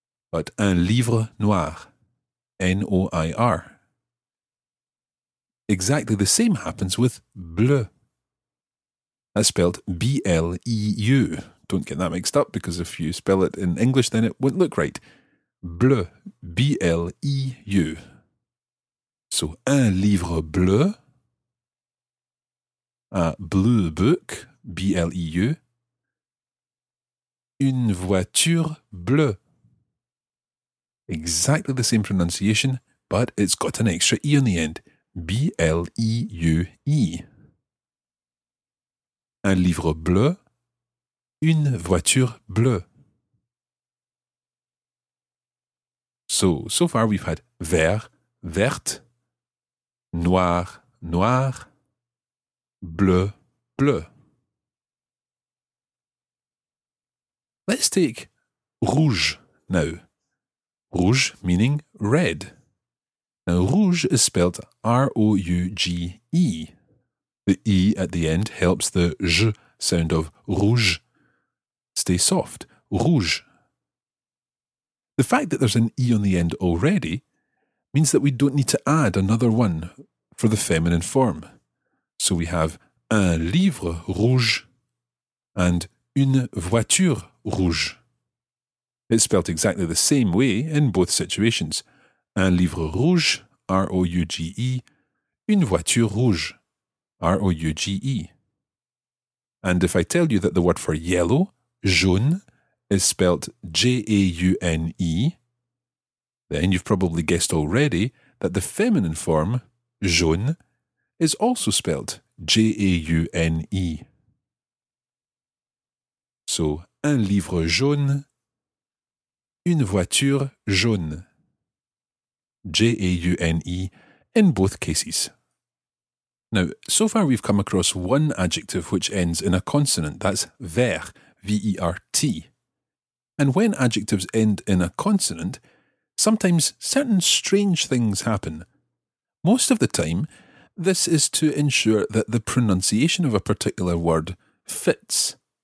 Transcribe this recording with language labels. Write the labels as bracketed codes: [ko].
[fr] But un livre noir. N-O-I-R. [en] Exactly the same happens with bleu. That's spelled B-L-E-U. Don't get that mixed up, because if you spell it in English, then it won't look right. [fr] Bleu. B-L-E-U. [en] So, [fr] un livre bleu, [en] a blue book, B-L-E-U, [fr] une voiture bleue. [en] Exactly the same pronunciation, but it's got an extra E on the end, B-L-E-U-E. [fr] Un livre bleu, une voiture bleue. [en] So far we've had vert, verte, noir, noir, bleu, bleu. Let's take rouge now. Rouge meaning red. Now, rouge is spelt R-O-U-G-E. The E at the end helps the J sound of rouge stay soft. Rouge. The fact that there's an E on the end already means that we don't need to add another one for the feminine form. So we have [fr] un livre rouge [en] and [fr] une voiture rouge. [en] It's spelt exactly the same way in both situations. [fr] Un livre rouge, R-O-U-G-E, une voiture rouge, R-O-U-G-E. [en] And if I tell you that the word for yellow, jaune, is spelt J-A-U-N-E, then you've probably guessed already that the feminine form, jaune, is also spelt J-A-U-N-E. [fr] So, un livre jaune, une voiture jaune, J-A-U-N-E, [en] in both cases. Now, so far we've come across one adjective which ends in a consonant, that's vert, V-E-R-T. And when adjectives end in a consonant, sometimes certain strange things happen. Most of the time, this is to ensure that the pronunciation of a particular word fits.